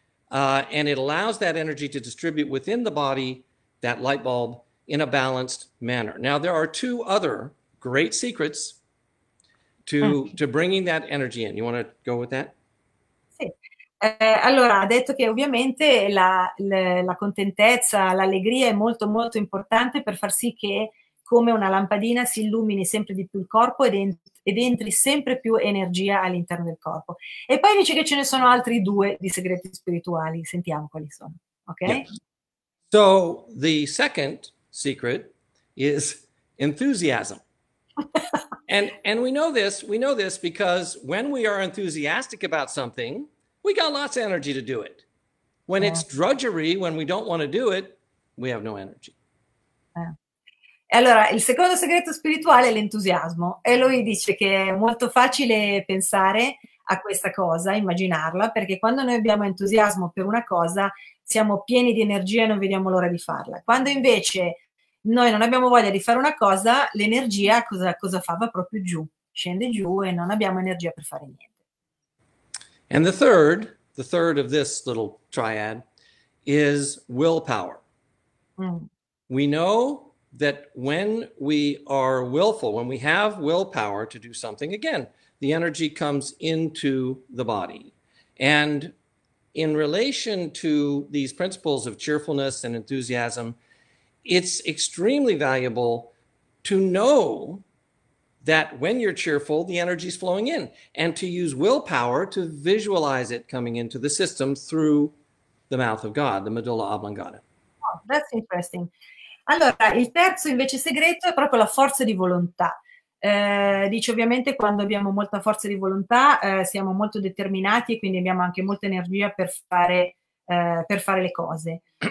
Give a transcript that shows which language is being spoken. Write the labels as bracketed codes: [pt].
[en] And it allows that energy to distribute within the body, that light bulb, in a balanced manner. Now, there are two other great secrets to bringing that energy in. You want to go with that? [it] Allora, ha detto che ovviamente la contentezza, l'allegria è molto molto importante per far sì che come una lampadina si illumini sempre di più il corpo ed entri sempre più energia all'interno del corpo. E poi dice che ce ne sono altri due di segreti spirituali, sentiamo quali sono, ok? [en] Yes. So, the second secret is enthusiasm. And we know this because when we are enthusiastic about something, we got lots of energy to do it. When it's drudgery, when we don't want to do it, we have no energy. [it] E allora, il secondo segreto spirituale è l'entusiasmo. E lui dice che è molto facile pensare a questa cosa, immaginarla, perché quando noi abbiamo entusiasmo per una cosa, siamo pieni di energia e non vediamo l'ora di farla. Quando invece noi non abbiamo voglia di fare una cosa, l'energia cosa fa? Va proprio giù, scende giù e non abbiamo energia per fare niente. [en] And the third of this little triad is willpower. We know that when we are willful, when we have willpower to do something, again, the energy comes into the body. And in relation to these principles of cheerfulness and enthusiasm, it's extremely valuable to know that when you're cheerful, the energy is flowing in, and to use willpower to visualize it coming into the system through the mouth of God, the medulla oblongata. Oh, that's interesting. [it] Allora, il terzo invece segreto è proprio la forza di volontà. Dice ovviamente quando abbiamo molta forza di volontà siamo molto determinati e quindi abbiamo anche molta energia per fare le cose.